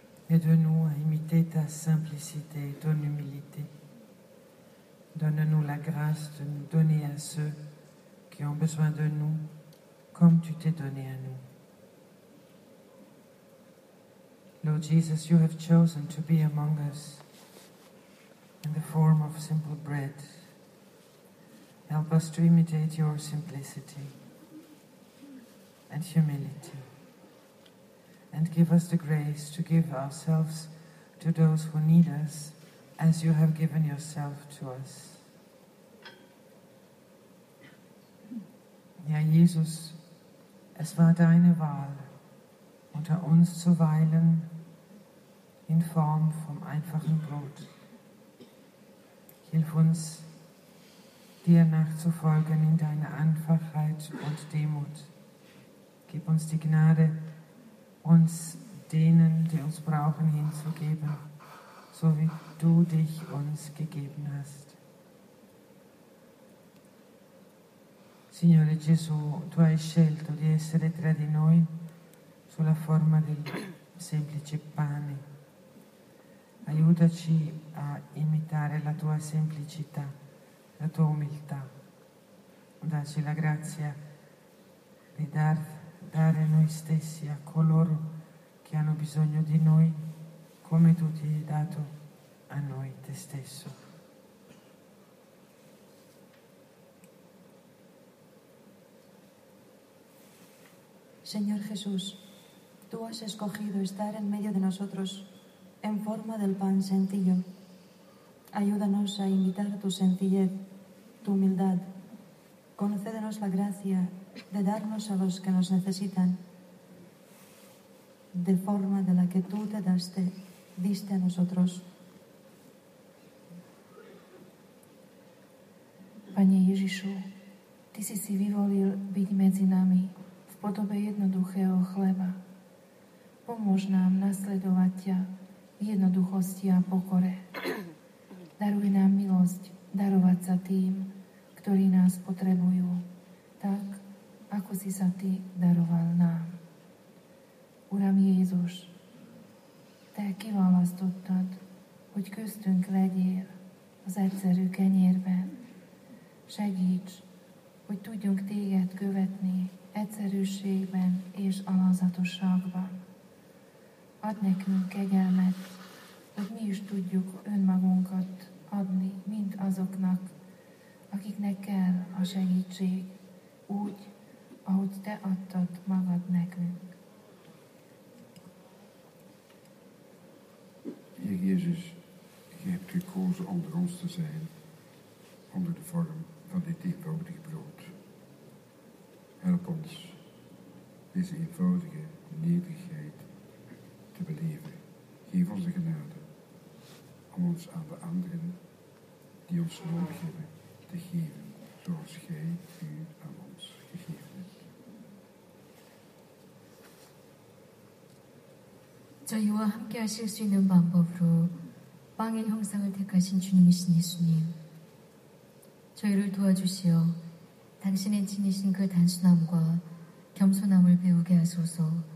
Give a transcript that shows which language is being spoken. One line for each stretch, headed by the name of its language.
French: Aide-nous à imiter ta simplicité et ton humilité. Donne-nous la grâce de nous donner à ceux qui ont besoin de nous comme tu t'es donné à nous.
English: Lord Jesus, you have chosen to be among us in the form of simple bread. Help us to imitate your simplicity and humility. And give us the grace to give ourselves to those who need us as you have given yourself to us.
German: Ja, Jesus, es war deine Wahl, unter uns zu weilen in Form vom einfachen Brot. Hilf uns, dir nachzufolgen in deiner Einfachheit und Demut. Gib uns die Gnade, uns denen, die uns brauchen, hinzugeben, so wie du dich uns gegeben hast.
Italian: Signore Gesù, tu hai scelto di essere tra di noi sulla forma del semplice pane. Aiutaci a imitare la tua semplicità, la tua umiltà. Dacci la grazia di dare noi stessi a coloro che hanno bisogno di noi come tu ti hai dato a noi te stesso.
Spanish: Señor Jesús, tú has escogido estar en medio de nosotros en forma del pan sencillo. Ayúdanos a imitar tu sencillez, tu humildad. Concédenos la gracia de darnos a los que nos necesitan de forma de la que tú te diste a nosotros.
Slovak: Pane Ježišu, ty si si vyvolil byť medzi nami v podobe jednoduchého chleba. Pomôž nám nasledovať ťa v jednoduchosti a pokore. Daruj nám milosť darovať sa tým, ktorí nás potrebujú, tak, ako si sa Ty daroval nám.
Hungarian: Uram Jézus, Te kiválasztottad, hogy köztünk legyél az egyszerű kenyérben. Segíts, hogy tudjunk Téged követni egyszerűségben és alázatosságban. Add nekünk kegyelmet, hogy mi is tudjuk önmagunkat adni, mint azoknak, akiknek kell a segítség, úgy, ahogy Te adtad magad nekünk.
Dutch: Heer Jezus, Je hebt gekozen onder ons te zijn, onder de vorm van dit eenvoudige brood. Help ons deze eenvoudige nederigheid te beleven. Geef ons de genade om ons aan de anderen die ons nodig hebben te geven, zoals Gij U aan ons gegeven hebt.
Korean: Zij와 함께 하실 수 있는 방법으로 빵의 형상을 택하신 주님이신 예수님, 저희를 도와주시어 당신이 지니신 그 단순함과 겸손함을 배우게 하소서.